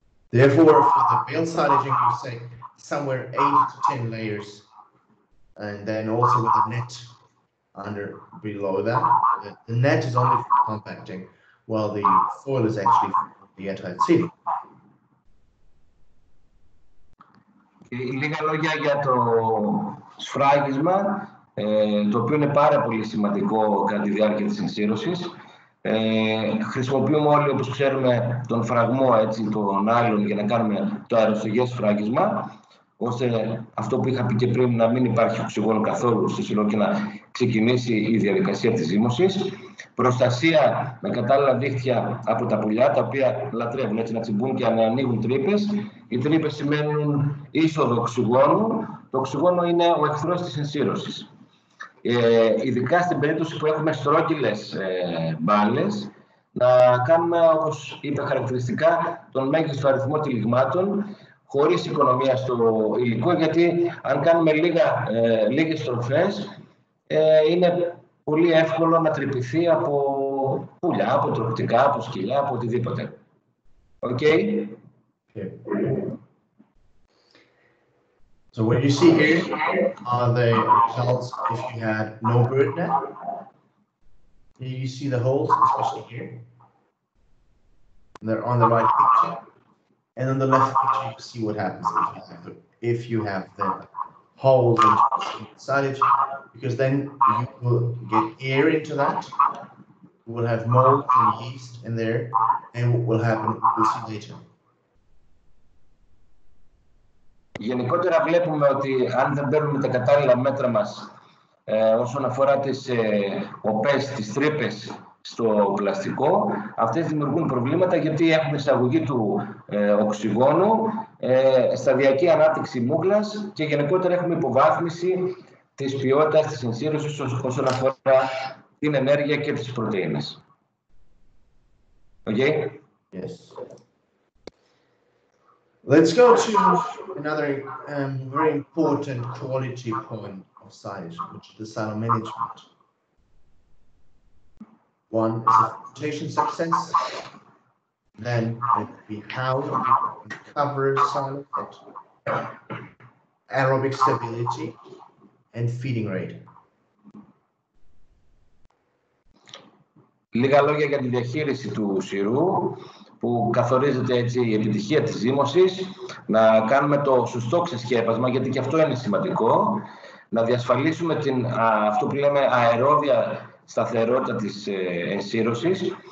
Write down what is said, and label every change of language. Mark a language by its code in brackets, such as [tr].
[en] Therefore, for the bale silage, you say somewhere 8 to 10 layers. And then also with a net under below that. The net is only for compacting, while the foil is actually for the entire ceiling. [el] Λίγα λόγια για το σφράγισμα, το οποίο είναι πάρα πολύ σημαντικό κατά τη διάρκεια της εισήρωσης. Χρησιμοποιούμε όλοι, όπως ξέρουμε, τον φραγμό, έτσι, τον άλλον, για να κάνουμε το αεροστογές σφράγισμα, ώστε αυτό που είχα πει και πριν να μην υπάρχει οξυγόνο καθόλου στο σύνολο και να ξεκινήσει η διαδικασία της ζύμωσης. Προστασία με κατάλληλα δίχτυα από τα πουλιά, τα οποία λατρεύουν έτσι να τσιμπούν και να ανοίγουν τρύπες. Οι τρύπες σημαίνουν είσοδο οξυγόνου. Το οξυγόνο είναι ο εχθρός της ενσύρωσης. Ειδικά στην περίπτωση που έχουμε στρόγγυλες μπάλες, να κάνουμε, όπως είπε χαρακτηριστικά, τον μέγιστο αριθμό τυλιγμάτων, χωρίς οικονομία στο υλικό, γιατί αν κάνουμε λίγες στροφές, είναι πολύ εύκολο να τρυπηθεί από πουλιά, από τροπτικά, από σκυλιά, από οτιδήποτε. [en] Okay. Okay. So what you see here are the results if you had no bird net. Here you see the holes, especially here. They're on the right picture. And on the left picture, you see what happens if you have the holes in the silage, because then you will get air into that. You will have mold and yeast in there, and what will happen, we'll see later. [el] Γενικότερα βλέπουμε ότι αν δεν παίρνουμε τα κατάλληλα μέτρα μας όσον αφορά τις οπές, τις τρύπες, στο πλαστικό, αυτές δημιουργούν προβλήματα γιατί έχουν εισαγωγή του οξυγόνου, σταδιακή ανάπτυξη μούγκλας και γενικότερα έχουμε υποβάθμιση της ποιότητας της ενσύρωσης όσον αφορά την ενέργεια και τις πρωτεΐνες. [en] Okay. Yes. Let's go to another very important quality point of silage, which is the silage management. One is a fermentation success. Then it would be how we recover some of it. Aerobic stability and feeding rate. [el] Λίγα λόγια για τη διαχείριση του σειρού που καθορίζεται έτσι η επιτυχία της ζύμωσης, να κάνουμε το σωστό ξεσκέπασμα, γιατί και αυτό είναι σημαντικό, να διασφαλίσουμε την, αυτό που λέμε αερόβια σταθερότητα της ενσύρωσης.